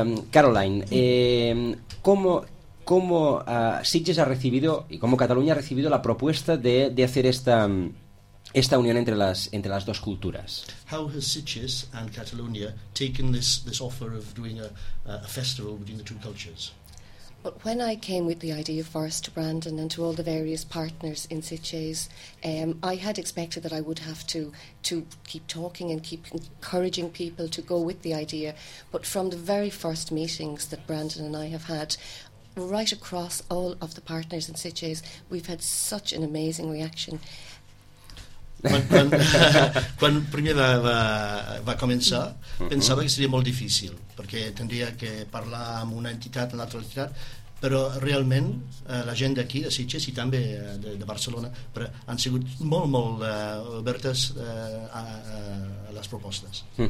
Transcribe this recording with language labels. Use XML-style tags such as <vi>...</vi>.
<es>Caroline, ¿cómo Sitges ha recibido y cómo Cataluña ha recibido la propuesta de hacer esta unión entre las dos culturas?</es> <en>How has Sitges and Catalonia taken this offer of doing a festival between the two cultures? But when I came with the idea for us to Brandon and to all the various partners in Sitges, I had expected that I would have to keep talking and keep encouraging people to go with the idea. But from the very first meetings that Brandon and I have had, right across all of the partners in Sitges, we've had such an amazing reaction.</en> <ca>Quan primer va començar, pensava que seria molt difícil, perquè tindria que parlar amb una entitat, amb l'altra entitat, però realment la gent d'aquí, de Sitges i també de Barcelona, però han sigut molt, molt obertes a les propostes.</ca>